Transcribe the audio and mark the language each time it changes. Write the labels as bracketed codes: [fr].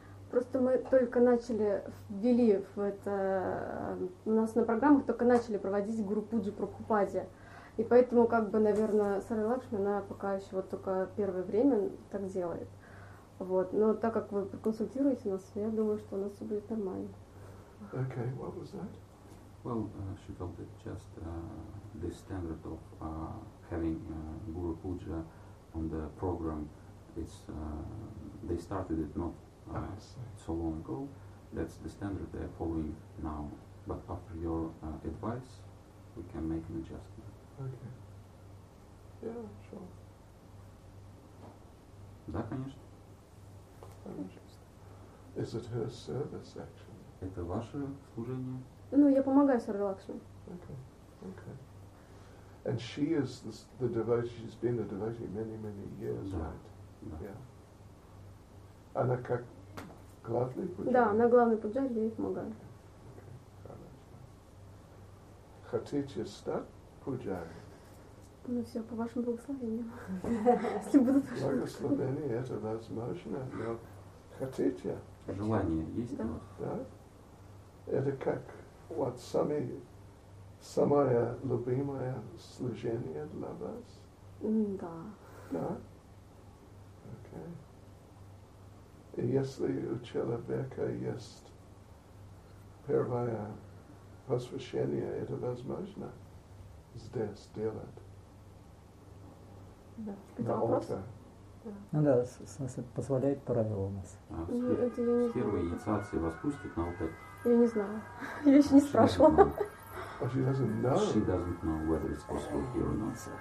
[ru] Просто мы только начали ввели в это, у нас на программах только начали проводить Гуру Пуджу Прабхупаде. И поэтому, как бы, наверное, Сарай Лакшми, она пока еще вот только первое время так делает. Вот. Но так как вы проконсультируете нас, я думаю, что у нас все будет нормально. [en] Okay, what was that? Well, she felt that just the standard of having Guru Puja on the program, it's, they started it not so long ago, that's the standard they're following now. But after your advice, we can make an adjustment. Okay. Yeah, sure. [ru] Да, конечно. [en] Is it her service, actually? [ru] Это ваше служение? Ну, я помогаю Сарай Лакшми. [en] Okay. And she is the devotee, she's been a devotee many, many years, [ru] да, [en] right? [ru] Да. [en] Yeah. [ru] Она как главный пуджарь? Да, она главный пуджарь, я ей помогаю. [en] Okay. [ru] Хотите стать пуджарь? Ну все, по вашим благословениям. Если будут ваши благословения, это возможно, но хотите? Желание есть? Да. Да? Это как? Вот самое любимое служение для вас? Да. Да? Окей. Okay. И если у человека есть первое посвящение, это возможно здесь делать? Да. На алтарь? Ну да, позволяет правило у нас. С первой инициации вас пустят на алтарь? Я не знаю. Я еще не спрашивала. [en] She doesn't know. She doesn't know whether it's possible here or not.